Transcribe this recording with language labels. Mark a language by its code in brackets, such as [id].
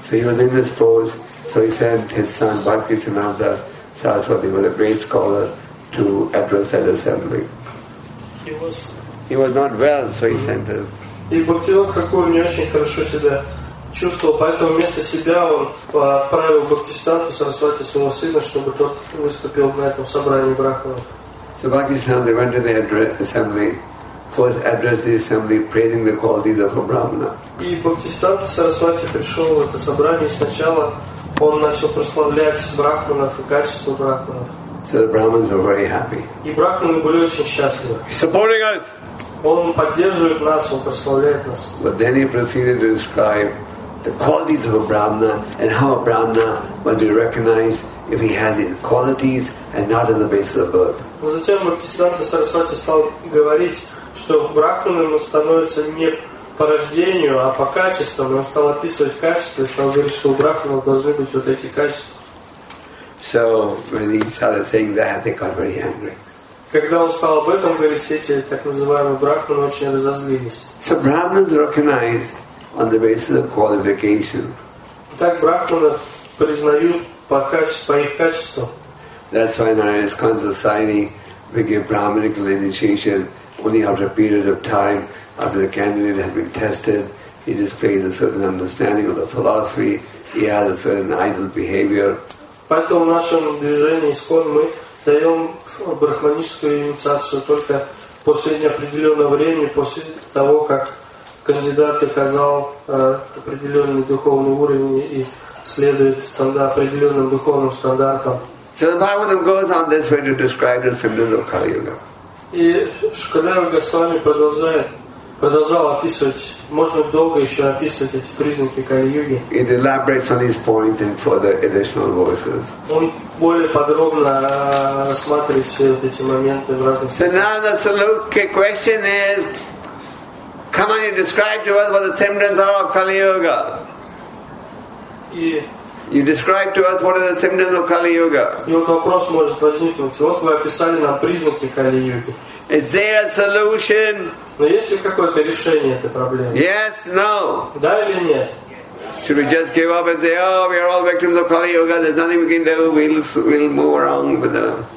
[en] So he was in this pose, so he sent his son Bhakti Siddhanta Saraswati, was a great scholar, to address that assembly. He was not well, so he sent him. [ru] И Бхактивинода Тхакур не очень хорошо себя чувствовал, поэтому вместо себя он отправил Бхакти Сиддханту Сарасвати своего сына, чтобы тот выступил на этом собрании брахманов. [en] So Bhakti Siddhanta went to the assembly, first addressed the assembly, praising the qualities of a brahmana. [ru] И Бхакти Сиддханта Сарасвати пришел в это собрание. Сначала он начал прославлять брахманов и качество брахманов. [en] So the brahmins were very happy. [ru] И брахманы были очень счастливы. [en] He's supporting us. [ru] Он поддерживает нас, он прославляет нас. [en] But then he proceeded to describe the qualities of a brahmana and how a brahmana will be recognized if he has his qualities and not on the basis of birth. [ru] Затем Бхакти Сиддханта Сарасвати стал говорить, что брахманом становится не по рождению, а по качествам. Он стал описывать качества и стал говорить, что у брахмана должны быть вот эти качества. [en] So when he started saying that, they got very angry. [ru] Когда он стал об этом говорить, все эти так называемые брахманы очень разозлились. [en] So brahmans recognize on the basis of qualification. [ru] Так брахманы признают по их качествам. [en] That's why in our ISKCON society we give brahminical initiation only after a period of time, after the candidate has been tested, he displays a certain understanding of the philosophy, he has a certain ideal behavior. [ru] Поэтому в нашем движении ISKCON мы даем брахманическую инициацию только после неопределенного времени, после того, как кандидат доказал определенный духовный уровень и следует определенным духовным стандартам. [en] So the Bhagavatam goes on this way to describe the symptoms of Kali Yuga. [ru] И Шукадева Госвами продолжает продолжал описывать, можно долго еще описывать эти признаки Кали-юги. [en] It elaborates on his point and further additional voices. [ru] Он более подробно рассматривает все вот эти моменты в разных ситуациях. [en] So now the Salukya question is, come on, you describe to us what the symptoms are of Kali-yuga. You describe to us what are the symptoms of Kali-yuga. [ru] И вот вопрос может возникнуть. Вот вы описали нам признаки Кали-юги. [en] Is there a solution? [ru] Но есть ли какое-то решение этой проблемы? [en] Yes, no. [ru] Да или нет? [en] Should we just give up and say, oh, we are all victims of Kali Yuga, there's nothing we can do, we'll move around with them.